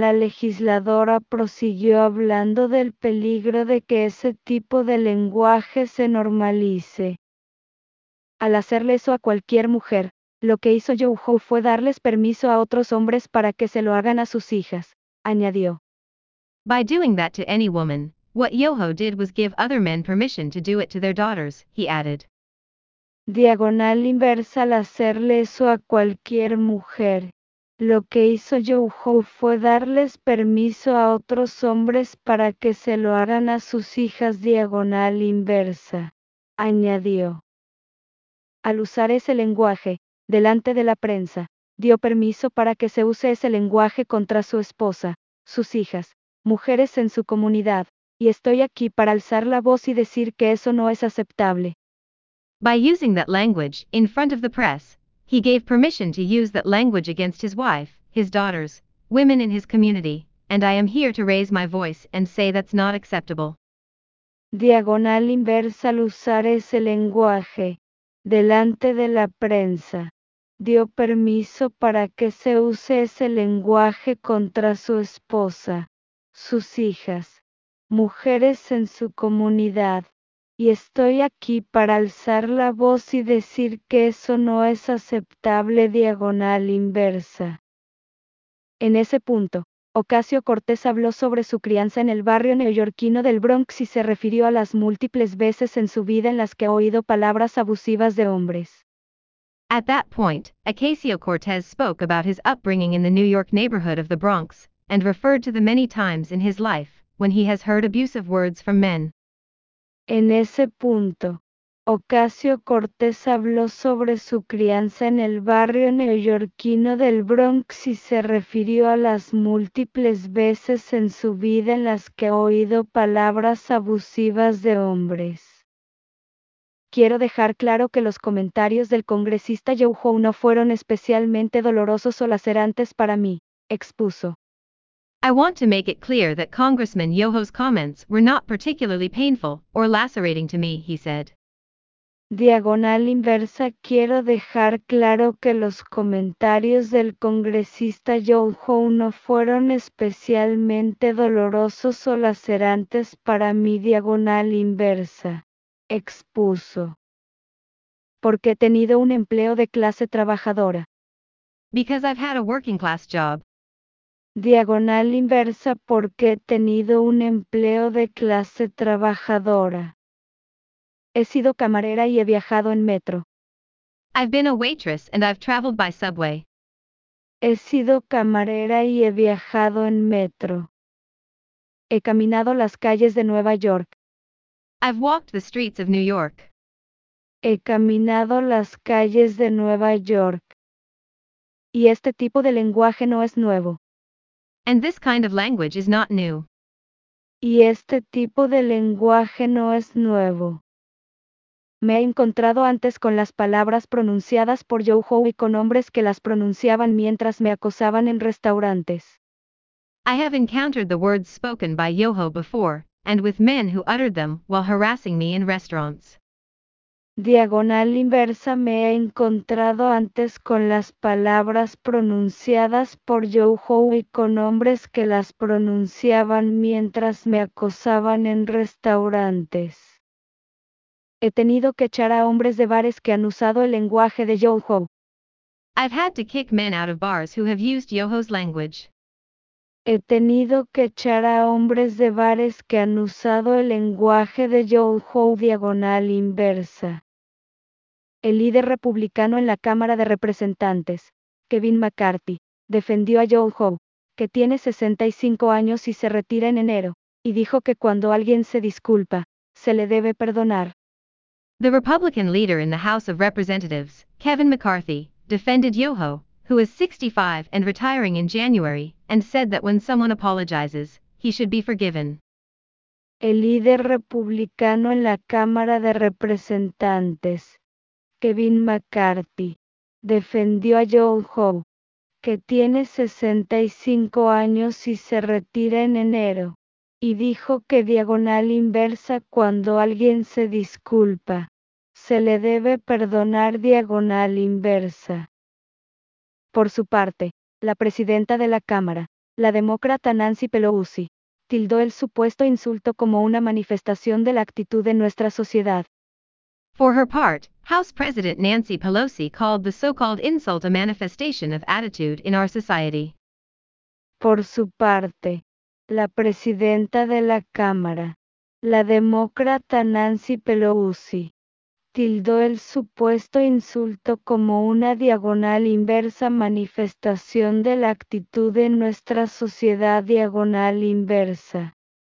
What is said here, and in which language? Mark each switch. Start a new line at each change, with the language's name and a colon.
Spanish: La legisladora prosiguió hablando del peligro de que ese tipo de lenguaje se normalice. Al hacerle eso a cualquier mujer, lo que hizo Yoho fue darles permiso a otros hombres para que se lo hagan a sus hijas, añadió.
English: By doing that to any woman, what Yoho did was give other men permission to do it to their daughters, he added.
Spanish: Diagonal inversa, al hacerle eso a cualquier mujer. Lo que hizo Yoho fue darles permiso a otros hombres para que se lo hagan a sus hijas. Diagonal inversa, añadió. Al usar ese lenguaje, delante de la prensa, dio permiso para que se use ese lenguaje contra su esposa, sus hijas, mujeres en su comunidad, y estoy aquí para alzar la voz y decir que eso no es aceptable.
English: By using that language in front of the press, he gave permission to use that language against his wife, his daughters, women in his community, and I am here to raise my voice and say that's not acceptable.
Spanish: Diagonal inversa, al usar ese lenguaje, delante de la prensa, dio permiso para que se use ese lenguaje contra su esposa, sus hijas, mujeres en su comunidad. Y estoy aquí para alzar la voz y decir que eso no es aceptable. Diagonal inversa. En ese punto, Ocasio-Cortez habló sobre su crianza en el barrio neoyorquino del Bronx y se refirió a las múltiples veces en su vida en las que ha oído palabras abusivas de hombres.
English: At that point, Ocasio-Cortez spoke about his upbringing in the New York neighborhood of the Bronx, and referred to the many times in his life when he has heard abusive words from men.
Spanish: En ese punto, Ocasio-Cortez habló sobre su crianza en el barrio neoyorquino del Bronx y se refirió a las múltiples veces en su vida en las que ha oído palabras abusivas de hombres. Quiero dejar claro que los comentarios del congresista Joe Hoe no fueron especialmente dolorosos o lacerantes para mí, expuso.
English: I want to make it clear that Congressman Yoho's comments were not particularly painful or lacerating to me, he said.
Spanish: Diagonal inversa, quiero dejar claro que los comentarios del congresista Joe Hoe no fueron especialmente dolorosos o lacerantes para mí, diagonal inversa. Expuso. Porque he tenido un empleo de clase trabajadora.
English: Because I've had a working class job.
Spanish: Diagonal inversa, porque he tenido un empleo de clase trabajadora. He sido camarera y he viajado en metro.
English: I've been a waitress and I've traveled by subway.
Spanish: He sido camarera y he viajado en metro. He caminado las calles de Nueva York.
English: I've walked the streets of New York.
Spanish: He caminado las calles de Nueva York. Y este tipo de lenguaje no es nuevo.
English: And this kind of language is not new.
Spanish: Y este tipo de lenguaje no es nuevo. Me he encontrado antes con las palabras pronunciadas por Joe Hoe y con hombres que las pronunciaban mientras me acosaban en restaurantes.
English: I have encountered the words spoken by Yoho before, and with men who uttered them while harassing me in restaurants.
Spanish: Diagonal inversa, me he encontrado antes con las palabras pronunciadas por Joe Hoe y con hombres que las pronunciaban mientras me acosaban en restaurantes. He tenido que echar a hombres de bares que han usado el lenguaje de Joe Hoe.
English: I've had to kick men out of bars who have used Yoho's language.
Spanish: He tenido que echar a hombres de bares que han usado el lenguaje de Joe Hoe, diagonal inversa. El líder republicano en la Cámara de Representantes, Kevin McCarthy, defendió a Joe Hoe, que tiene 65 años y se retira en enero, y dijo que cuando alguien se disculpa, se le debe perdonar.
English: The Republican leader in the House of Representatives, Kevin McCarthy, defended Yoho, who is 65 and retiring in January, and said that when someone apologizes, he should be forgiven.
Spanish: El líder republicano en la Cámara de Representantes, Kevin McCarthy, defendió a Yoho, que tiene 65 años y se retira en enero, y dijo que diagonal inversa cuando alguien se disculpa, se le debe perdonar, diagonal inversa. Por su parte, la presidenta de la Cámara, la demócrata Nancy Pelosi, tildó el supuesto insulto como una manifestación de la actitud de nuestra sociedad.
English: For her part, House President Nancy Pelosi called the so-called insult a manifestation of attitude in our society.
Spanish: Por su parte, la presidenta de la Cámara, la demócrata Nancy Pelosi, tildó el supuesto insulto como una diagonal inversa manifestación de la actitud de nuestra sociedad, diagonal inversa.